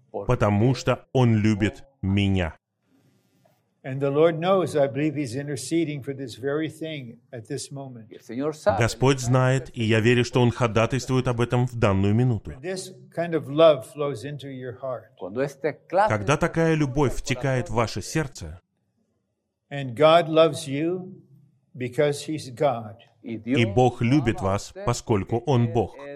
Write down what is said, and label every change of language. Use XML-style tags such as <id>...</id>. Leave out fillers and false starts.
<ru>Потому что Он любит меня.</ru> <en>And the Lord knows, I believe He's interceding for this very thing at this moment.</en> <ru>Господь знает, и я верю, что Он ходатайствует об этом в данную минуту.</ru> <en>When this kind of love flows into your heart.</en> <ru>Когда такая любовь втекает в ваше сердце.</ru> <en>And God loves you because He's God.</en> <ru>И Бог любит вас, поскольку Он Бог.</ru>